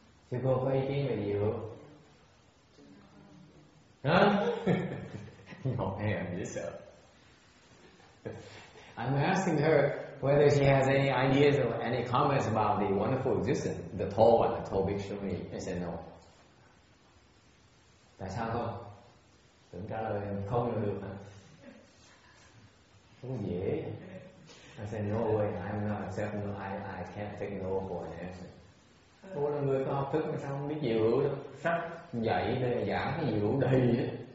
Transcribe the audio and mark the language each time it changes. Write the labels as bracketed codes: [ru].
[vi] Thì cô có ý kiến về diệu hả? Nhỏ hèn dễ sợ. [en] I'm asking her whether she has any ideas or any comments about the wonderful existence, the tall one, the tall big shuni. I said no. [vi] Tại sao không? Tưởng trả lời không được hả? Không dễ. [en] I said no way. I'm not accepting. No, I can't take no for an answer. [vi] Cô là người có học thức mà sao không biết gì hữu? Sách dạy đây giảng cái gì hữu đây á?